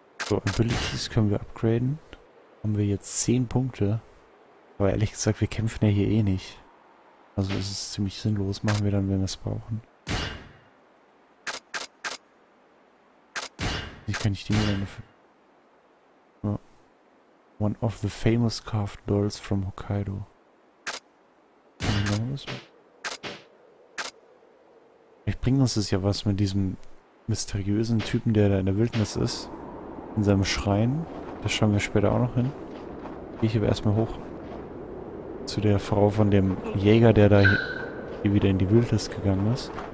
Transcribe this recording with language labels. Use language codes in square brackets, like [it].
[de] Abilities können wir upgraden. Haben wir jetzt 10 Punkte. Aber ehrlich gesagt, wir kämpfen ja hier eh nicht. Also es ist ziemlich sinnlos. Machen wir dann, wenn wir es brauchen. Wie kann ich die hier dafür? [en] One of the famous carved dolls from Hokkaido. [de] Vielleicht bringt uns das ja was mit diesem mysteriösen Typen, der da in der Wildnis ist. In seinem Schrein. Das schauen wir später auch noch hin. Gehe ich aber erstmal hoch zu der Frau von dem Jäger, der da hier wieder in die Wildnis gegangen ist.